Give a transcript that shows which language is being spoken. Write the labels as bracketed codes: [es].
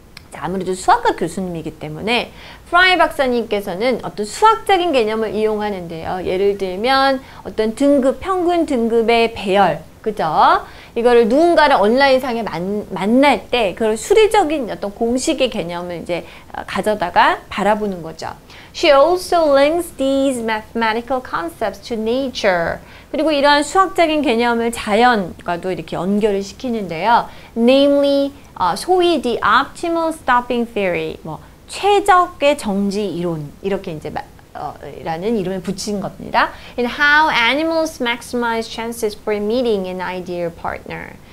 [ko] 자, 아무래도 수학과 교수님이기 때문에 프라이 박사님께서는 어떤 수학적인 개념을 이용하는데요. 예를 들면 어떤 등급, 평균 등급의 배열, 그죠? 이거를 누군가를 온라인상에 만날 때 그걸 수리적인 어떤 공식의 개념을 이제 가져다가 바라보는 거죠. [en] She also links these mathematical concepts to nature. [ko] 그리고 이러한 수학적인 개념을 자연과도 이렇게 연결을 시키는데요. [en] Namely, [ko] 소위 [en] the optimal stopping theory, [ko] 뭐 최적의 정지 이론 이렇게 이제 라는 이름을 붙인 겁니다. [en] In how animals maximize chances for meeting an ideal partner.